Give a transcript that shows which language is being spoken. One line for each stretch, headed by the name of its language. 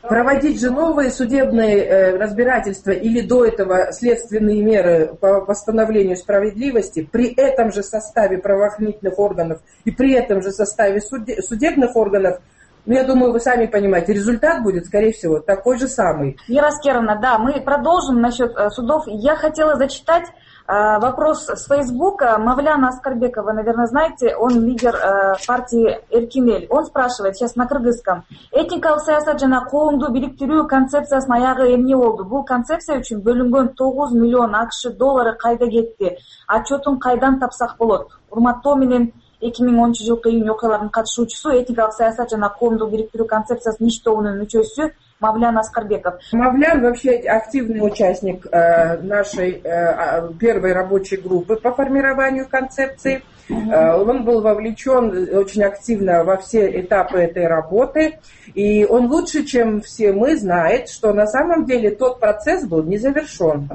Russian: Проводить же новые судебные разбирательства или до этого следственные меры по восстановлению справедливости при этом же составе правоохранительных органов и при этом же составе судебных органов, ну, я думаю, вы сами понимаете, результат будет, скорее всего, такой же самый. Вера Аскеровна, да, мы продолжим насчет судов. Я хотела зачитать вопрос с Фейсбука. Мавляна Аскарбекова, наверное, знаете, он лидер партии Эркинель. Он спрашивает сейчас на кыргызском.
Kyrgyz: Этникал саясат жана коомду бириктирүү концепциясынын аягы эмне болду? Бул концепция үчүн бөлүнгөн 9 миллион АКШ доллары кайда кетти? Отчетун кайдан тапсак болот? Урматтоо менен 2013 жылкы июнь окуяларынын катышуучусу, этникалык саясат жана коомду бириктирүү концепциясынын иш тобунун мүчөсү Мавлян Аскарбеков.
Russian: Мавлян вообще активный участник нашей первой рабочей группы по формированию концепции. Он был вовлечен очень активно во все этапы этой работы. И он лучше, чем все мы, знает, что на самом деле тот процесс был не завершен.